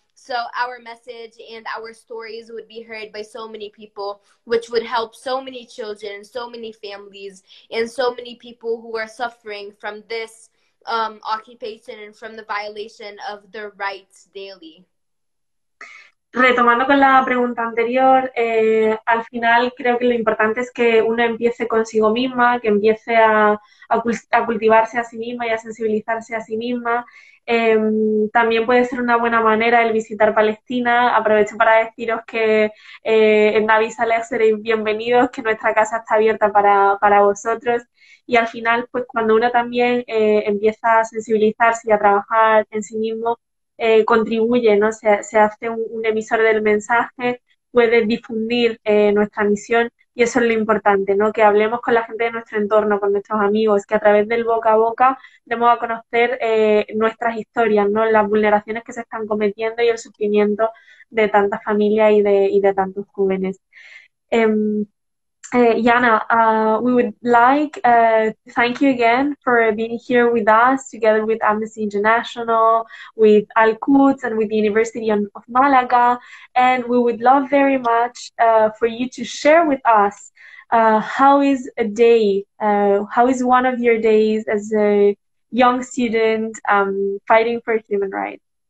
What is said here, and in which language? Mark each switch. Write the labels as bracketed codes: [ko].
[en] So our message and our stories would be heard by so many people, which would help so many children, so many families, and so many people who are suffering from this occupation and from the violation of their rights daily. [es] Retomando con la pregunta anterior, al final creo que lo importante es que uno empiece consigo misma, que empiece a cultivarse a sí misma y a sensibilizarse a sí misma. También puede ser una buena manera el visitar Palestina. Aprovecho para deciros que en Navi Saleh seréis bienvenidos, que nuestra casa está abierta para vosotros. Y al final, pues cuando uno también empieza a sensibilizarse y a trabajar en sí mismo, contribuye, ¿no? Se hace un emisor del mensaje, puede difundir nuestra misión, y eso es lo importante, ¿no? Que hablemos con la gente de nuestro entorno, con nuestros amigos, que a través del boca a boca demos a conocer nuestras historias, ¿no? Las vulneraciones que se están cometiendo y el sufrimiento de tantas familias y de tantos jóvenes. [en] Janna, we would like to thank you again for being here with us, together with Amnesty International, with Al Quds, and with the University of Malaga. And we would love very much for you to share with us how is a day, how is one of your days as a young student fighting for human rights?